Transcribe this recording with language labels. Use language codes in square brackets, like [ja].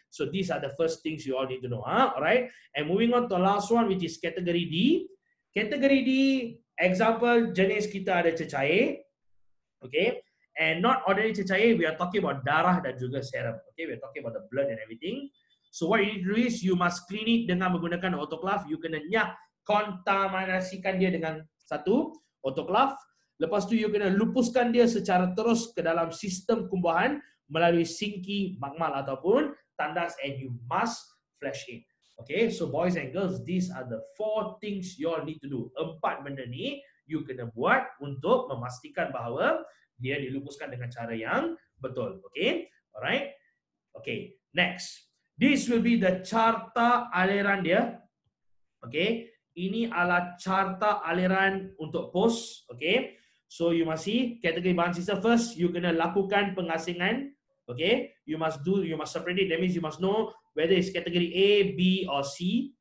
[en] So, these are the first things you all need to know. Huh? Alright? And moving on to the last one, which is kategori D. [ms] Kategori D, example, jenis kita ada cecair. Okay? [en] And not ordinary cecair, we are talking about [ms] darah dan juga serum. [en] Okay? We are talking about the blood and everything. So, what you need to do is, you must clean it [ms] dengan menggunakan autoclave. You kena nyak, kontaminasikan dia dengan satu autoclave. Lepas tu, you kena lupuskan dia secara terus ke dalam sistem kumbuhan melalui sinki, makmal ataupun tandas [en] and you must flush it. Okay, so boys and girls, these are the 4 things you all need to do. [ms] 4 benda ni, you kena buat untuk memastikan bahawa dia dilupuskan dengan cara yang betul. [en] Okay, alright. Okay, next. This will be the [ms] carta aliran dia. Okay, ini adalah carta aliran untuk POS. Okay. [en] So you must see kategori bahan sisa first, you [ms] kena lakukan pengasingan. [en] Okay, you must do, you must separate it. That means you must know whether it's category A, B or C.